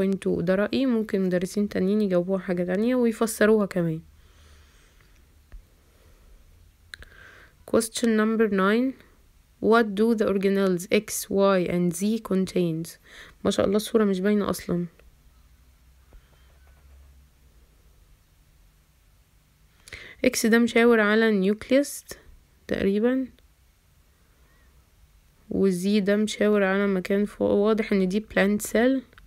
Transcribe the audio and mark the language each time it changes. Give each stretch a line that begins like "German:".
Arabic: ده رأيي، ممكن مدرسين تانيين يجاوبوها حاجة تانية ويفسروها كمان.
English: question number 9, what do the organelles X, Y and Z contains؟
Arabic: ما شاء الله الصورة مش باينة أصلا. اكس ده مشاور على نيوكليس تقريبا، وزي ده مشاور على مكان فوق، واضح ان دي بلانت سيل.